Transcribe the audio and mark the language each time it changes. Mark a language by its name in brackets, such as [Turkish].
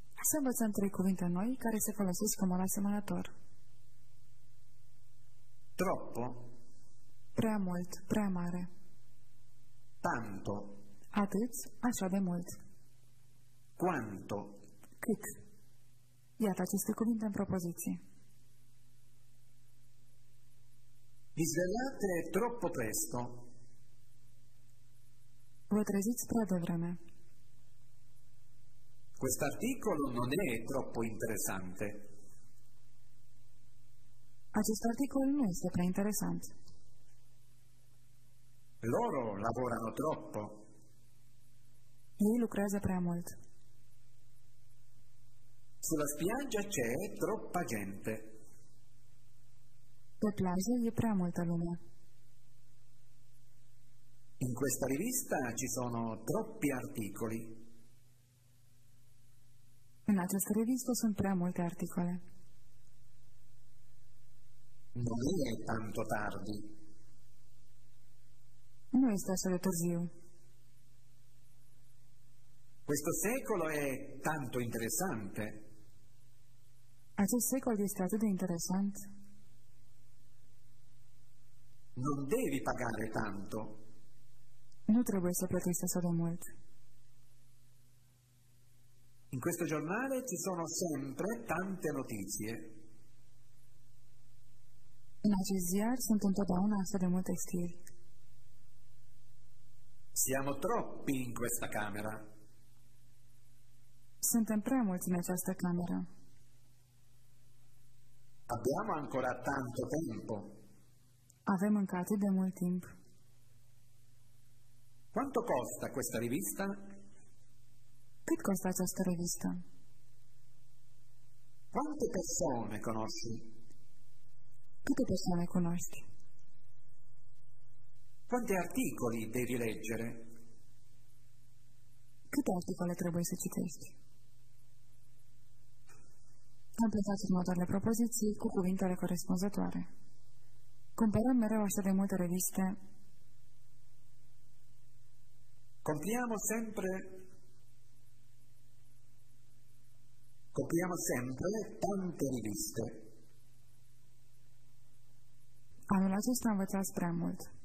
[Romanian] Să învățăm trei cuvinte noi care se folosesc în mod asemănător. [Italian] Troppo. [Romanian] Prea mult, prea mare. [Italian] Tanto. [Romanian] Atât, așa de mult. [Italian] Quanto. [Romanian] Cât. Iată aceste cuvinte în propoziție. [Italian] Vi svegliate troppo presto. [Romanian] Vă treziți prea devreme. [Italian] Quest'articolo non è troppo interessante. [Romanian] Acest articol nu este prea interesant. [Italian] Loro lavorano troppo. [Romanian] Ei lucrează prea mult. [Italian] Sulla spiaggia c'è troppa gente. [Romanian] Pe plajă e prea multă lume. [Italian] In questa rivista ci sono troppi articoli. [Romanian] În această revistă sunt prea multe articole. [Italian] Non è tanto tardi. [Romanian] Nu este așa de târziu. [Italian] Questo secolo è tanto interessante. [Romanian] Acest secol este atât de interesant. [Italian] Non devi pagare tanto. [Romanian] Nu trebuie să plătești așa de mult. [Italian] In questo giornale ci sono sempre tante notizie. [Romanian] In acest ziar sunt întotdeauna astfel de multe știri. [Italian] Siamo troppi in questa camera. [Romanian] Suntem prea mulți în această cameră. [Italian] Abbiamo ancora tanto tempo. [Romanian] Avem încă atât de mult timp. [Italian] Quanto costa questa rivista? [Romanian] Cât costă această revistă? [Italian] Quante persone conosci? [Romanian] Câte persoane cunoști? [Italian] Quanti articoli devi leggere? [Romanian] Câte articole trebuie să citești? Completați următoarele propoziții cu cuvintele corespunzătoare. Cumpărăm mereu așa de multe reviste. [Italian] Compriamo sempre. Copriamo sempre tante riviste. [Romanian] Anul acesta învățați prea mult.